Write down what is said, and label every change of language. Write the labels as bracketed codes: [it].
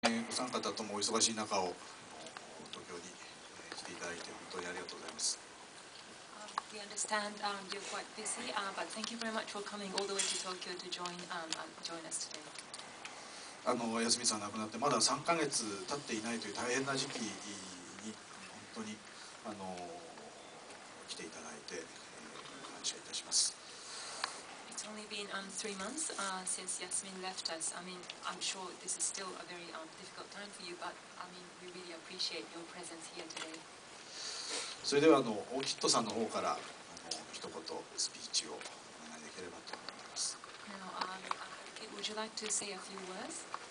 [ja] お三方ともお忙しい中を東京に来ていただいて本当にありがとうございます。 [en] We understand you're quite busy, but thank you very much for coming all the way to Tokyo to join us today. [ja] あの、安住さん亡くなってまだ3ヶ月経っていないという大変な時期に本当にあの来ていただいて、感謝いたします。 [en] It's only been three months since Yasmin left us. I mean, I'm sure this is still a very difficult time for you, but I mean, we really appreciate your presence here today. [ja] それではあのオーキッドさんの方から一言スピーチをお願いできればと思います。 [en] Now, would you like to say a few words?